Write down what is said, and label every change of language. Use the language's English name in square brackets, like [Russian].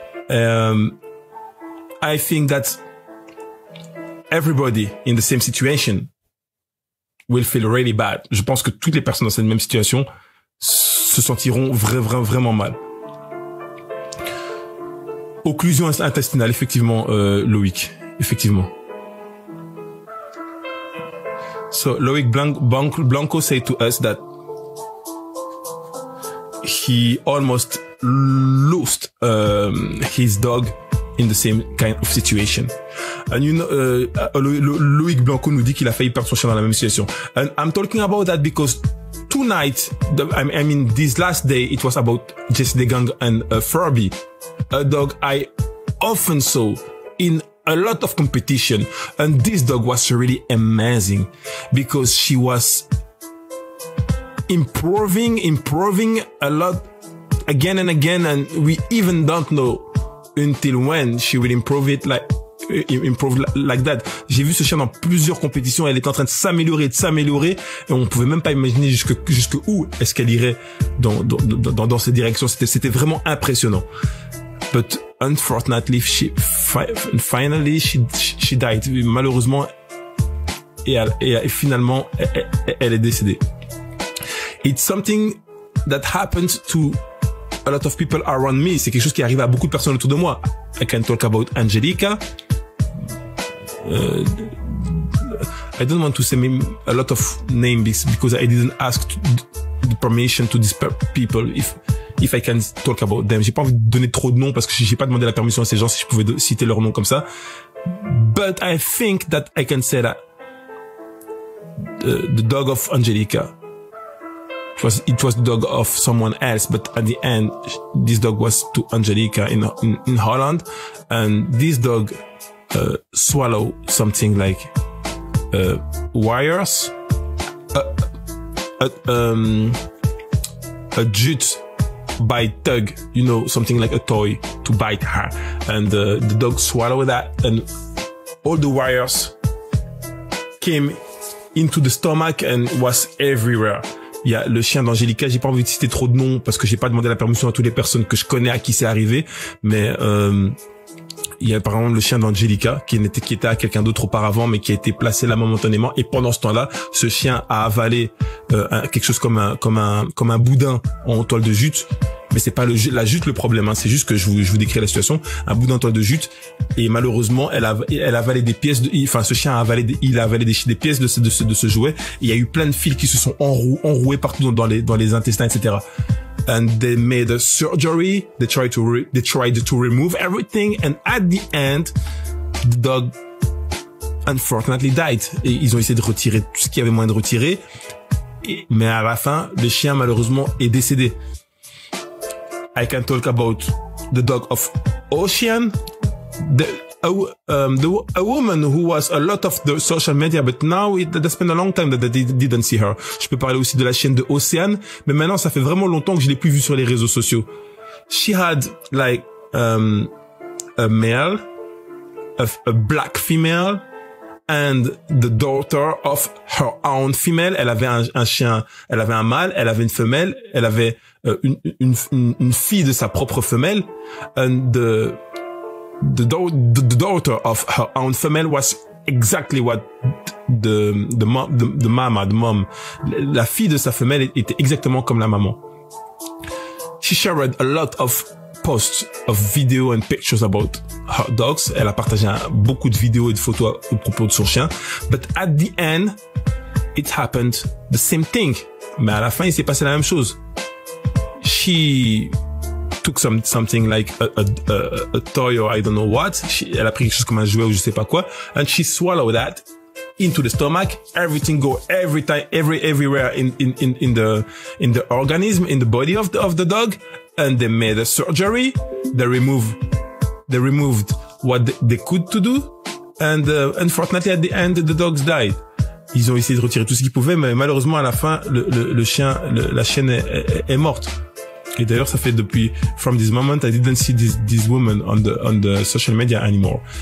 [English] I think that everybody in the same situation will feel really bad. [French] Je pense que toutes les personnes dans cette même situation se sentiront vraiment mal. Occlusion intestinale, effectivement, Loïc. Effectivement. [English] So, Loïc Blanco said to us that he almost lost his dog in the same kind of situation. And you know, [French] Loïc Blanco nous dit qu'il a failli perdre son chien dans la même situation. [English] And I'm talking about that because tonight, I mean, this last day, it was about Jesse the Gang and Furby. A dog I often saw in a lot of competition, and this dog was really amazing because she was improving a lot again and again, and we even don't know until when she will improve like that. [French] J'ai vu ce chien dans plusieurs compétitions, elle était en train de s'améliorer, et on pouvait même pas imaginer jusque où est-ce qu'elle irait dans cette direction. C'était vraiment impressionnant. [English] But unfortunately, she finally died. [French] Malheureusement, et finalement, elle est décédée. [English] It's something that happens to a lot of people around me. [French] C'est quelque chose qui arrive à beaucoup de personnes autour de moi. [English] I can talk about Angelica. I don't want to say a lot of names because I didn't ask the permission to these people if I can talk about them. [French] J'ai pas envie de donner trop de noms parce que j'ai pas demandé la permission à ces gens si je pouvais citer leur nom comme ça. [English] But I think that I can say that the dog of Angelica it was the dog of someone else, but at the end this dog was to Angelica in Holland, and this dog swallowed something like wires, a jute by tug, you know, something like a toy to bite her, and the dog swallowed that, and all the wires came into the stomach and was everywhere. [French] Il y a le chien d'Angelica, j'ai pas envie de citer trop de noms parce que j'ai pas demandé la permission à toutes les personnes que je connais à qui c'est arrivé, mais il y a par exemple le chien d'Angelica qui était à quelqu'un d'autre auparavant, mais qui a été placé là momentanément, et pendant ce temps-là, ce chien a avalé quelque chose comme un boudin en toile de jute. Mais c'est pas la jute le problème, hein. C'est juste que je vous décris la situation. Un boudin en toile de jute. Et malheureusement, elle a avalé des pièces ce chien a avalé des pièces de ce jouet. Et il y a eu plein de fils qui se sont enroués partout dans les intestins, etc. [English] And they made a surgery. They tried to remove everything. And at the end, the dog unfortunately died. [French] Et ils ont essayé de retirer tout ce qu'il y avait moyen de retirer. Mais à la fin, le chien, malheureusement, est décédé. [English] I can talk about the dog of Ocean, a woman who was a lot of the social media, but now it has been a long time that I didn't see her. [French] Je peux parler aussi de la chienne de Ocean, mais maintenant ça fait vraiment longtemps que je l'ai plus vue sur les réseaux sociaux. [English] She had like a male, a black female, and the daughter of her own female. [French] Elle avait un chien, elle avait un mâle, elle avait une femelle, elle avait une fille de sa propre femelle, [English] and the daughter of her own female was exactly what the mom, [French] la fille de sa femelle était exactement comme la maman. [English] She shared a lot of posts of video and pictures about her dogs. [French] Elle a partagé beaucoup de vidéos et de photos au propos de son chien. [English] But at the end, it happened the same thing. [French] Mais à la fin, il s'est passé la même chose. [English] She took something like a toy or I don't know what. [French] Elle a pris quelque chose comme un jouet ou je sais pas quoi. [English] And she swallowed that into the stomach. Everything go every time, everywhere in the organism, in the body of the dog. And they made a surgery. They removed what they could to do. And unfortunately, at the end, the dogs died. [French] Ils ont essayé de retirer tout ce qu'ils pouvaient, mais malheureusement, à la fin, la chienne est morte. Et d'ailleurs, ça fait depuis, [English] from this moment, I didn't see this woman on the social media anymore.